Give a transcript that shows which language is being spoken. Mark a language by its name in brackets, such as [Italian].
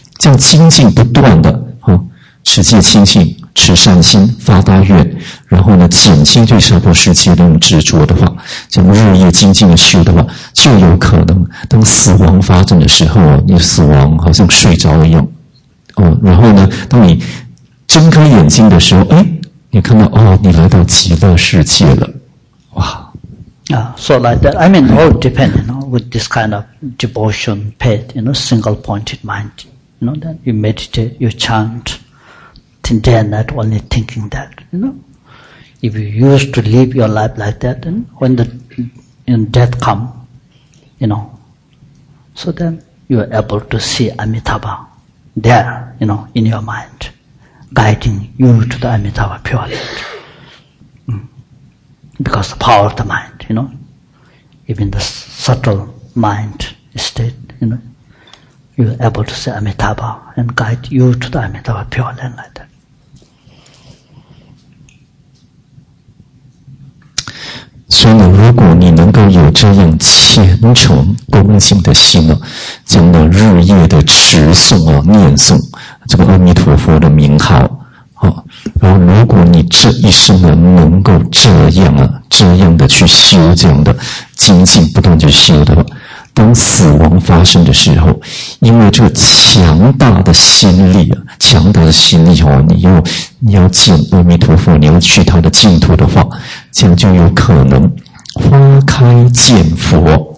[Chinese] 这样精进不断的啊，持戒清净，持善心，发大愿，然后呢，减轻对娑婆世界的那种执着的话，这么日夜精进的修的话，就有可能当死亡发生的时候，你死亡好像睡着了一样，哦，然后呢，当你睁开眼睛的时候，哎，你看到哦，你来到极乐世界了，哇！ [English] So like that, I mean, all depend, you know, with this kind of devotion, path, you know, single-pointed mind, you know, that you meditate, you chant, dare not only thinking that, you know. If you used to live your life like that, then when the you know, death come, you know, so then you are able to see Amitabha there, you know, in your mind, guiding you to the Amitabha pure light. Because the power of the mind, you know, even the subtle mind state, you know, you're able to say Amitabha and guide you to the Amitabha pure land like that. [Chinese] 所以如果你能够有这样虔诚恭敬的心呢，将那日夜的持诵啊、念诵这个阿弥陀佛的名号。好，然后如果你这一生呢，能够这样啊，这样的去修，这样的精进不断去修的话，当死亡发生的时候，因为这个强大的心力啊，强大的心力哦，你要见阿弥陀佛，你要去他的净土的话，这样就有可能花开见佛。